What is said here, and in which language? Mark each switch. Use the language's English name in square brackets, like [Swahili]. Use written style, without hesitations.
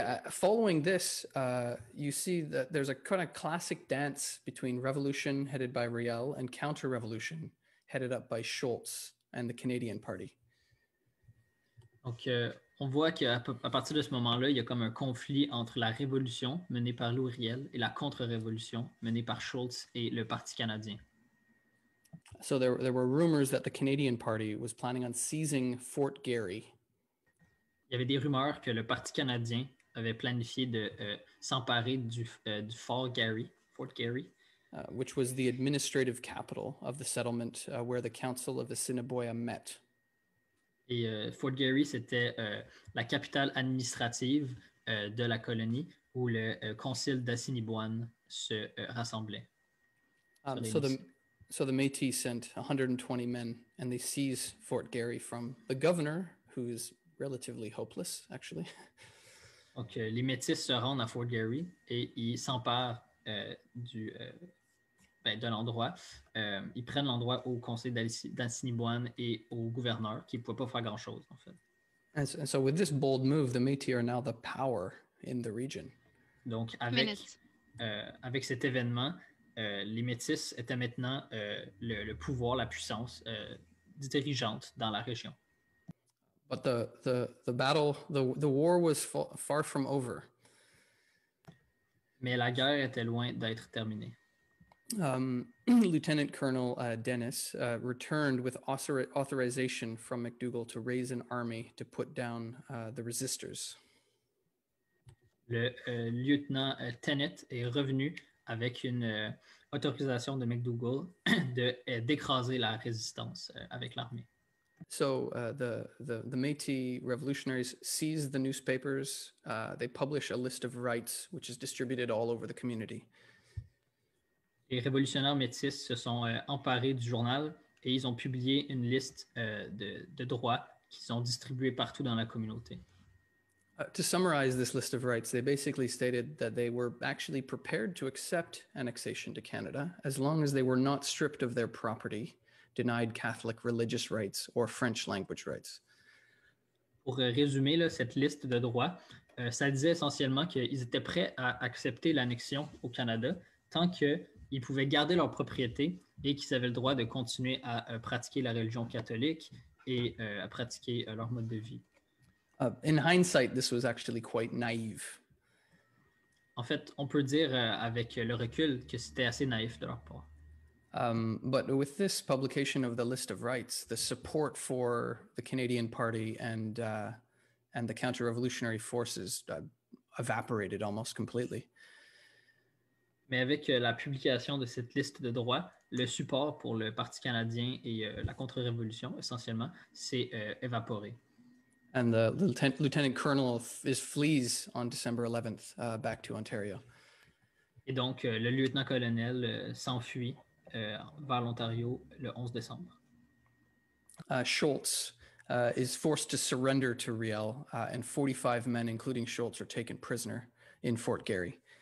[English] Following this, you see that there's a kind of classic dance between revolution headed by Riel and counter-revolution headed up by Schultz and the Canadian Party. [French] Donc, on voit qu'à partir de ce moment-là, il y a comme un conflit entre la révolution menée par Louis Riel et la contre-révolution menée par Schultz et le Parti canadien. [English] So there were rumors that the Canadian Party was planning on seizing Fort Garry. [French] Il y avait des rumeurs que le Parti canadien avait planifié de s'emparer du Fort Garry, Fort Garry. [English] Which was the administrative capital of the settlement where the Council of Assiniboia met. [French] Et Fort Garry, c'était la capitale administrative de la colonie où le Conseil d'Assiniboine se rassemblait. [English] So the Métis sent 120 men and they seize Fort Garry from the governor, who is relatively hopeless, actually. [French] Donc, les Métis se rendent à Fort Garry et ils s'emparent de l'endroit. Ils prennent l'endroit au conseil d'Assiniboine et au gouverneur, qui ne pouvait pas faire grand-chose, en fait. [English] And so with this bold move, the Métis are now the power in the region. [French] Donc, avec cet événement, les Métis étaient maintenant le pouvoir, la puissance dirigeante dans la région. [English] But the battle, the war was far from over. [French] Mais la guerre était loin d'être terminée. [English] Lieutenant Colonel Dennis returned with authorization from McDougall to raise an army to put down the resistors. [French] Le lieutenant Tennet est revenu avec une autorisation de McDougall d'écraser la résistance avec l'armée. [English] So the Métis revolutionaries seize the newspapers. They publish a list of rights, which is distributed all over the community. [French] Les révolutionnaires métis se sont emparés du journal et ils ont publié une liste de droits qui sont distribués partout dans la communauté. [English] To summarize this list of rights, they basically stated that they were actually prepared to accept annexation to Canada as long as they were not stripped of their property, denied Catholic religious rights or French language rights. [French] Pour résumer là, cette liste de droits, ça disait essentiellement qu'ils étaient prêts à accepter l'annexion au Canada tant que ils pouvaient garder leur propriété et qu'ils avaient le droit de continuer à pratiquer la religion catholique et à pratiquer leur mode de vie. [English] In hindsight, this was actually quite naive. [French] En fait, on peut dire avec le recul que c'était assez naïf de leur part. [English] But with this publication of the list of rights, the support for the Canadian Party and the counter-revolutionary forces evaporated almost completely. [French] Mais avec la publication de cette liste de droits, le support pour le Parti canadien et la contre-révolution, essentiellement, s'est évaporé. [English] And the lieutenant colonel flees on December 11th back to Ontario. [French] Et donc, le lieutenant-colonel s'enfuit vers l'Ontario le 11 décembre. [English] Schultz is forced to surrender to Riel, and 45 men, including Schultz, are taken prisoner in Fort Garry.